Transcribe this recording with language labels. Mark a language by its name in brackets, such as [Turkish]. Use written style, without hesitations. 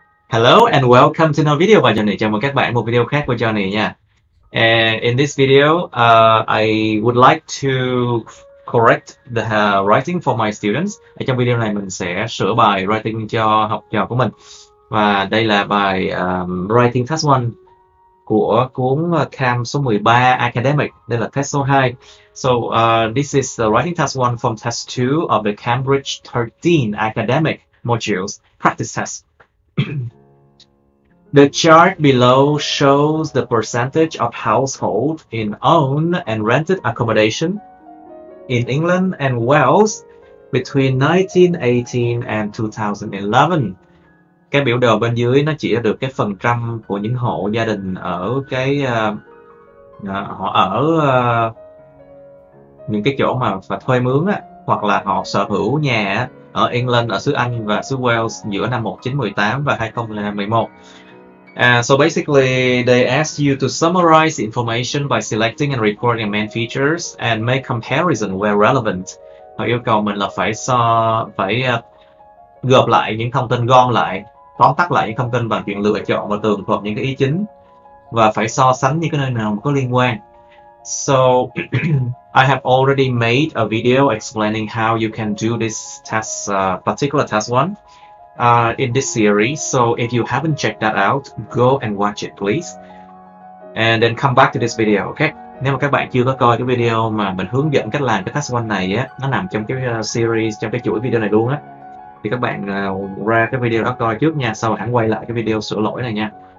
[English] Hello and welcome to another video by Johnny. [Vietnamese] Chào mừng các bạn một video khác của Johnny nha. [English] In this video, I would like to correct the writing for my students. [Vietnamese] Ở trong video này mình sẽ sửa bài writing cho học trò của mình. Và đây là bài writing test 1 của cuốn cam số 13 Academic. Đây là test số 2. [English] So this is the writing test 1 from test 2 of the Cambridge 13 Academic Modules practice test. The chart below shows the percentage of households in owned and rented accommodation in England and Wales between 1918 and 2011. [Vietnamese] Cái biểu đồ bên dưới nó chỉ được cái phần trăm của những hộ gia đình ở cái họ ở những cái chỗ mà phải thuê mướn á, hoặc là họ sở hữu nhà á, ở England, ở xứ Anh và xứ Wales giữa năm 1918 và 2011. [English] So basically, they ask you to summarize the information by selecting and recording main features and make comparison where relevant. [Vietnamese] Họ yêu cầu mình là phải gộp lại những thông tin, gom lại, tóm tắt lại những thông tin bằng chuyện lựa chọn và tường thuật những cái ý chính và phải so sánh những cái nơi nào có liên quan. [English] So I have already made a video explaining how you can do this test, particular test one, in this series. So if you haven't checked that out, go and watch it, please. And then come back to this video, okay? [Vietnamese] Nếu mà các bạn chưa có coi cái video mà mình hướng dẫn cách làm cái test one này á, nó nằm trong cái series, trong cái chuỗi video này luôn á, thì các bạn ra cái video đó coi trước nha, sau hẳn quay lại cái video sửa lỗi này nha.